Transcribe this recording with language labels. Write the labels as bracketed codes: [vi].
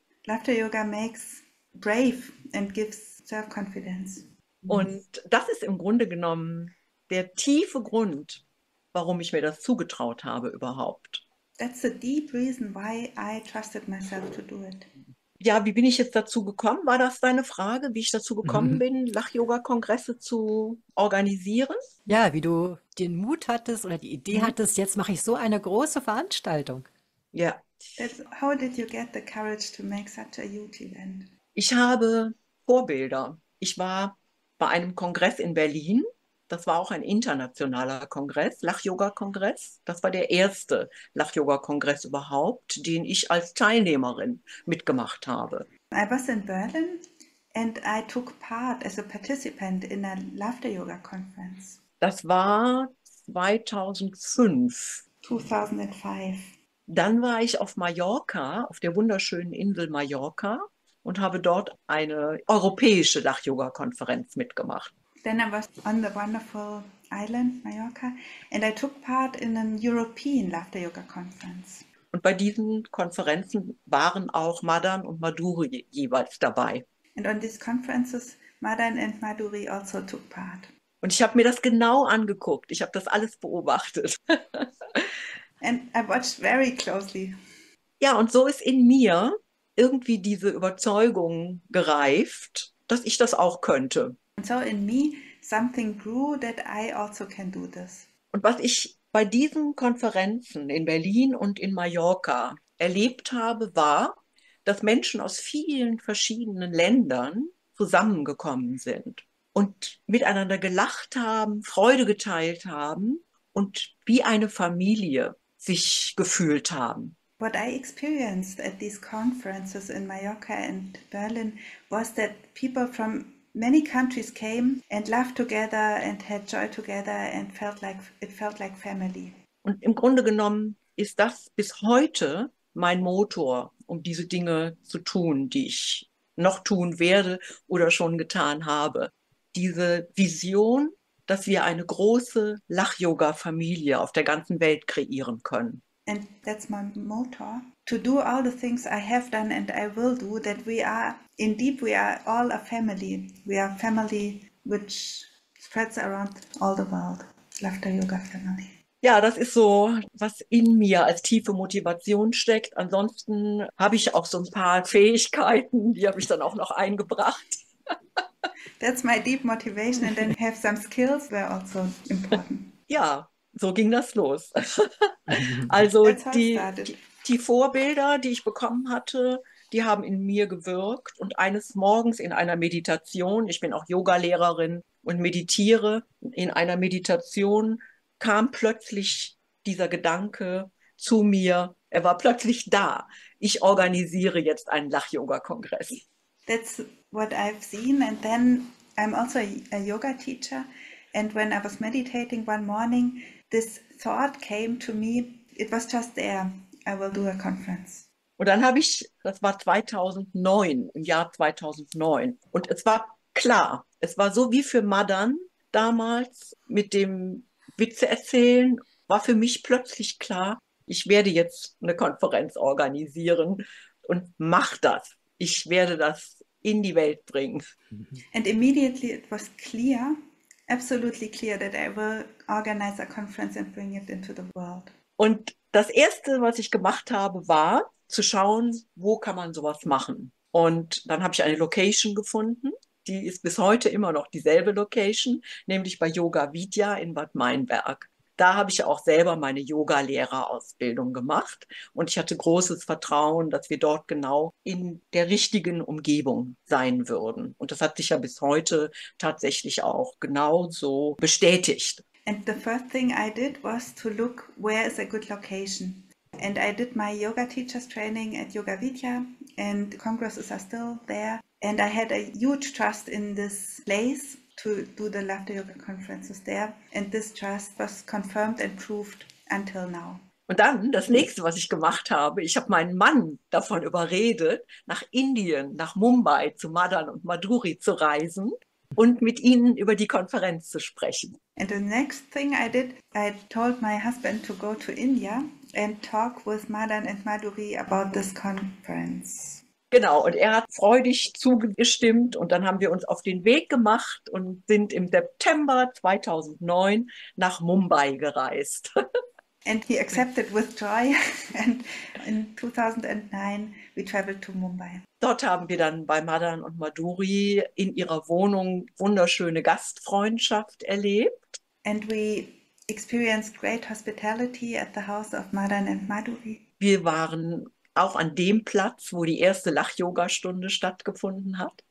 [en] Laughter Yoga makes brave and gives self-confidence. [de] Und das ist im Grunde genommen der tiefe Grund, warum ich mir das zugetraut habe überhaupt. [en] That's the deep reason why I trusted myself to do it. [de] Ja, wie bin ich jetzt dazu gekommen? War das deine Frage, wie ich dazu gekommen bin, Lach-Yoga-Kongresse zu organisieren? Ja, wie du den Mut hattest oder die Idee hattest, jetzt mache ich so eine große Veranstaltung. Ja. [en] How did you get the courage to make such a huge event? [de] Ich habe Vorbilder. Ich war bei einem Kongress in Berlin. Das war auch ein internationaler Kongress, Lach-Yoga-Kongress. Das war der erste Lach-Yoga-Kongress überhaupt, den ich als Teilnehmerin mitgemacht habe. [en] I was in Berlin And I took part as a participant in a laughter yoga conference. [de] Das war 2005. 2005. Dann war ich auf Mallorca, auf der wunderschönen Insel Mallorca, und habe dort eine europäische Dach-Yoga-Konferenz mitgemacht. [en] Then I was on the wonderful island Mallorca and I took part in an European Laughter Yoga Conference. [de] Und bei diesen Konferenzen waren auch Madan und Madhuri jeweils dabei. [en] And on these conferences Madan and Madhuri also took part. [de] Und ich habe mir das genau angeguckt. Ich habe das alles beobachtet. [en] And I watched very closely. [de] Ja, und so ist in mir irgendwie diese Überzeugung gereift, dass ich das auch könnte. [en] And so in me something grew that I also can do this. [de] Und was ich bei diesen Konferenzen in Berlin und in Mallorca erlebt habe, war, dass Menschen aus vielen verschiedenen Ländern zusammengekommen sind und miteinander gelacht haben, Freude geteilt haben und wie eine Familie sich gefühlt haben. [en] What I experienced at these conferences in Mallorca and Berlin was that people from many countries came and laughed together and had joy together and felt like family. [de] Und im Grunde genommen ist das bis heute mein Motor, um diese Dinge zu tun, die ich noch tun werde oder schon getan habe. Diese Vision, dass wir eine große Lach-Yoga-Familie auf der ganzen Welt kreieren können. [en] And that's my motto, to do all the things I have done and I will do, that we are, in deep, we are all a family. We are a family which spreads around all the world. Laughter Yoga Family. [de] Ja, das ist so, was in mir als tiefe Motivation steckt. Ansonsten habe ich auch so ein paar Fähigkeiten, die habe ich dann auch noch eingebracht. [en] That's my deep motivation and then have some skills were also important. [de] Ja. So ging das los. Also die Vorbilder, die ich bekommen hatte, die haben in mir gewirkt. Und eines Morgens in einer Meditation, ich bin auch Yogalehrerin und meditiere, in einer Meditation kam plötzlich dieser Gedanke zu mir. Er war plötzlich da. Ich organisiere jetzt einen Lach-Yoga-Kongress. [en] That's what I've seen. And then I'm also a yoga teacher. And when I was meditating one morning, this thought came to me, it was just there, I will do a conference. [de] Und dann habe ich, das war 2009, im Jahr 2009, und es war klar, es war so wie für Madan damals mit dem Witze erzählen, war für mich plötzlich klar, ich werde jetzt eine Konferenz organisieren und mach das, ich werde das in die Welt bringen. [en] And immediately it was clear, absolutely clear that I will organize a conference and bring it into the world. [de] Und das Erste, was ich gemacht habe, war zu schauen, wo kann man sowas machen. Und dann habe ich eine Location gefunden, die ist bis heute immer noch dieselbe Location, nämlich bei Yoga Vidya in Bad Meinberg. Da habe ich auch selber meine Yoga-Lehrerausbildung gemacht und ich hatte großes Vertrauen, dass wir dort genau in der richtigen Umgebung sein würden. Und das hat sich ja bis heute tatsächlich auch genau so bestätigt. [en] And the first thing I did was to look where is a good location. And I did my yoga teachers training at Yoga Vidya and the congresses are still there. And I had a huge trust in this place to do the laughter yoga conferences there. And this trust was confirmed and proved until now. [de] Und dann das nächste, was ich gemacht habe, ich habe meinen Mann davon überredet, nach Indien, nach Mumbai zu Madan und Madhuri zu reisen und mit ihnen über die Konferenz zu sprechen. [en] And the next thing I did, I told my husband to go to India and talk with Madan and Madhuri about this conference. [de] Genau, und er hat freudig zugestimmt und dann haben wir uns auf den Weg gemacht und sind im September 2009 nach Mumbai gereist. [en] And he accepted with joy and in 2009 we traveled to Mumbai. [de] Dort haben wir dann bei Madan und Madhuri in ihrer Wohnung wunderschöne Gastfreundschaft erlebt. [en] And we experienced great hospitality at the house of Madan and Madhuri. [de] Wir waren auch an dem Platz, wo die erste Lach-Yoga-Stunde stattgefunden hat.